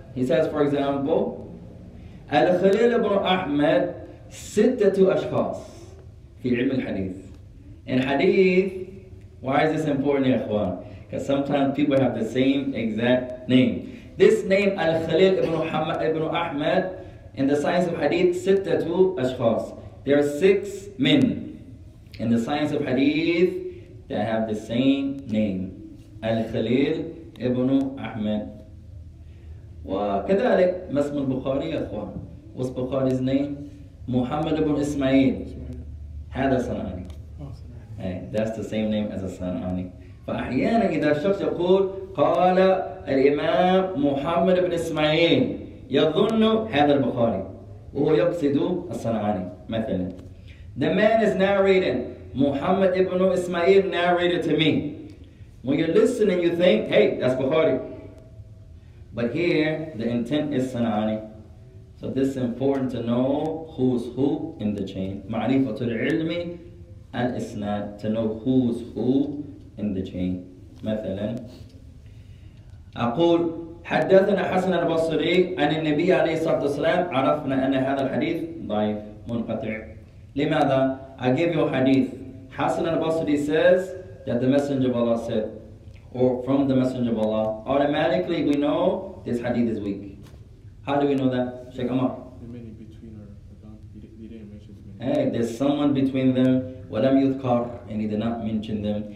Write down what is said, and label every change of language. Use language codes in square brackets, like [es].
[en] He says, for example, [ar] الخليل بن أحمد ستة أشخاص في علم الحديث. [en] In hadith, why is this important, [ar] يا إخوان? [en] Because sometimes people have the same exact name. This name, الخليل بن أحمد, in the science of hadith, [ar] ستة أشخاص. [en] There are six men in the science of hadith that have the same name. [ar] الخليل بن أحمد. وكذلك ما اسم البخاري يا إخوان. [en] What's Bukhari's name? Muhammad ibn Ismail. [ar] هذا صنعاني. [en] Hey, that's the same name as a صنعاني. [ar] فأحيانا إذا الشخص يقول قال الإمام محمد بن إسماعيل يظن هذا البخاري وهو يقصد الصنعاني مثلا. [en] The man is narrating. Muhammad ibn Ismail narrated to me. When you're listening, you think, hey, that's Bukhari. But here, the intent is صنعاني. So this is important to know who's who in the chain. [ar] معرفة العلم الإسناد. [en] To know who's who in the chain. [ar] مثلا أقول حدثنا حسن البصري عن النبي عليه الصلاة والسلام عرفنا أن هذا الحديث ضعيف منقطع. لماذا? [en] I give you a hadith. حسن البصري says that the Messenger of Allah said, or from the Messenger of Allah, automatically we know this hadith is weak. How do we know that? Shaykh Omar. They didn't mention the many. Hey, there's someone between them. [ar] وَلَمْ يُذْكَرْ. [en] And he did not mention them.